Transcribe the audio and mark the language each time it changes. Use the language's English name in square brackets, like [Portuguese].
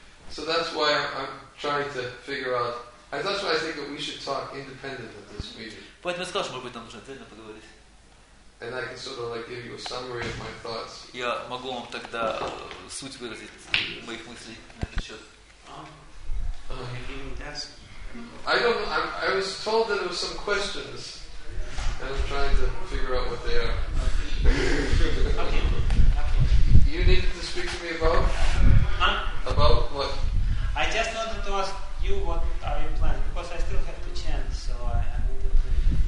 [English] So that's why I'm trying to figure out. And that's why I think that we should talk independently at this meeting. [Russian] Поэтому я сказал, что, может быть, нам нужно отдельно поговорить. [English] And I can sort of like give you a summary of my thoughts. [Russian] Я могу вам тогда суть выразить моих мыслей на этот счет. [English] I don't know. I was told that there were some questions, and I'm trying to figure out what they are. Okay. You needed to speak to me about? Huh? About what? I just wanted to ask you what are your plans, because I still have to chant, so I need to...